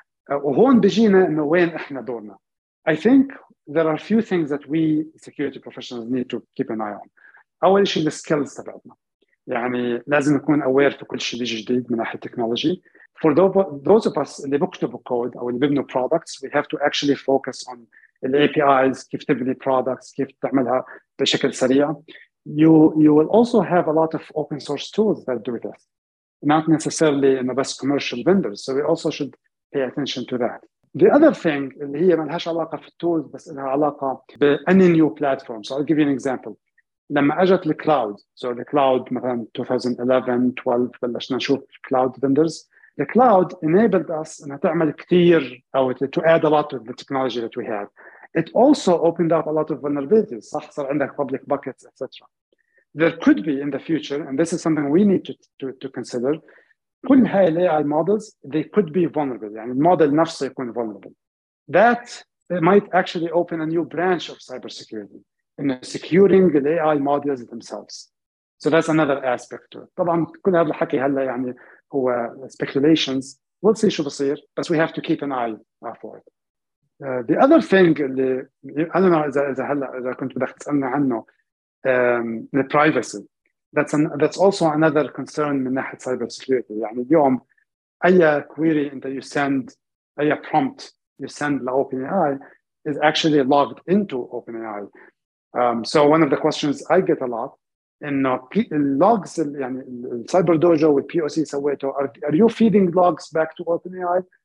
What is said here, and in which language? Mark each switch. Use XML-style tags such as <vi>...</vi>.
<ar>وهون بيجينا انه وين احنا دورنا.</ar> <en>I think there are a few things that we security professionals need to keep an eye on.</en> <ar>أول شيء</ar> <en>the skills</en> <ar>تبعنا. يعني لازم نكون aware في كل شيء جديد من ناحية التكنولوجي.</ar> <en>For those of us</en> <ar>اللي بكتبوا code أو اللي بيبنوا products,</ar> <en>we have to actually focus on the APIs,</en> <ar>كيف تبني products, كيف تعملها بشكل سريع.</ar> <en>You will also have a lot of open source tools that do this, not necessarily in the best commercial vendors. So we also should pay attention to that. The other thing</en> <ar>اللي هي ملهاش علاقة في tools بس لها علاقة ب</ar> <en>any new platform. So I'll give you an example.</en> <ar>لما أجت الكلاود,</ar> <en>so the cloud مثلا 2011-12</en> <ar>بلشنا نشوف</ar> <en>cloud vendors, the cloud enabled us</en> <ar>أنها تعمل كتير أو</ar> <en>to add a lot of the technology that we have. It also opened up a lot of vulnerabilities,</en> <ar>صح صار عندك</ar> <en>public buckets, etc. There could be in the future, and this is something we need to consider,</en> <ar>كل هاي الـ</ar> <en>AI models, they could be vulnerable, يعني model</en> <ar>نفسه يكون</ar> <en>vulnerable. That might actually open a new branch of cybersecurity, in securing the AI models themselves. So that's another aspect to it.</en> <ar>طبعا كل هذا الحكي هلا يعني هو speculations.</ar> <en>We'll see</en> <ar>شو بصير,</ar> <en>but we have to keep an eye for it. The other thing</en> <ar>اللي أنا ما إذا هلا إذا كنت بدك تسألني عنه,</ar> <en>the privacy. That's also another concern</en> <ar>من ناحية</ar> <en>cyber security.</en> <ar>يعني اليوم أي</ar> <en>query أنت you send, أي prompt you send to OpenAI is actually logged into OpenAI. So one of the questions I get a lot in logs, يعني cyber dojo with POC</en> <ar>سويته,</ar> <en>are you feeding logs back to OpenAI?</en>